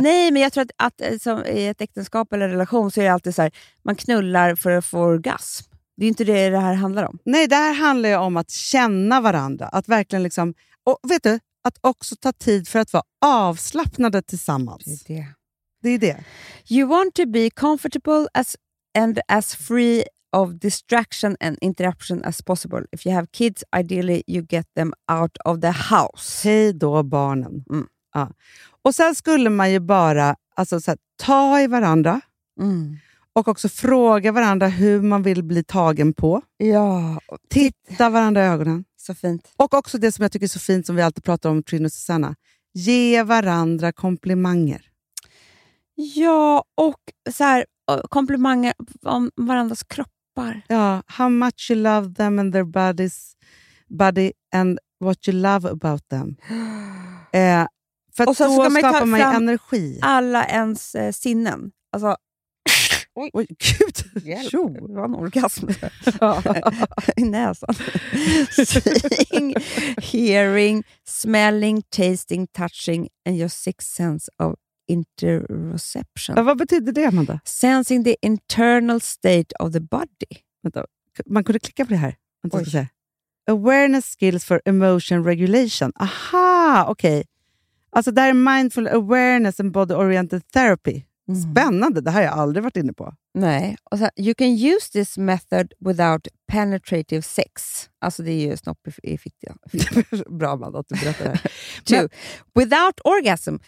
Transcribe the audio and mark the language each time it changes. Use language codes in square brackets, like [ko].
[sv] Nej, men jag tror att som i ett äktenskap eller relation så är det alltid så här, man knullar för att få orgasm. Det är ju inte det här handlar om. Nej, det här handlar ju om att känna varandra. Att verkligen liksom, och vet du, att också ta tid för att vara avslappnade tillsammans. Det är det. Det är det. [en] You want to be comfortable as and as free of distraction and interruption as possible. If you have kids, ideally you get them out of the house. [sv] Hej då barnen. Mm. Ja. Och sen skulle man ju bara alltså, så här, ta i varandra. Mm. Och också fråga varandra hur man vill bli tagen på. Ja. Titta varandra i ögonen. Så fint. Och också det som jag tycker är så fint som vi alltid pratar om, Trine och Susanna. Ge varandra komplimanger. Ja, och så här, komplimanger om varandras kroppar. [en] Ja, how much you love them and their bodies, body and what you love about them. [sv] För och så då ska man ta fram energi. Alla ens sinnen. Alltså, oj, gud. Jo, det var en orgasm. I näsan. [en] Seeing, hearing, smelling, tasting, touching and your sixth sense of interoception. [sv] Ja, vad betyder det, Amanda? [en] Sensing the internal state of the body. [sv] Vänta, man kunde klicka på det här. Vänta, ska säga. [en] Awareness skills for emotion regulation. [sv] Aha, okej. Okay. Alltså, det här är [en] mindful awareness and body-oriented therapy. Mm. [sv] Spännande, det här har jag aldrig varit inne på. Nej, och så, [en] you can use this method without penetrative sex. [sv] Alltså det är ju snopp i fittiga. Bra man att du berättar det [en] här. Two, without orgasm.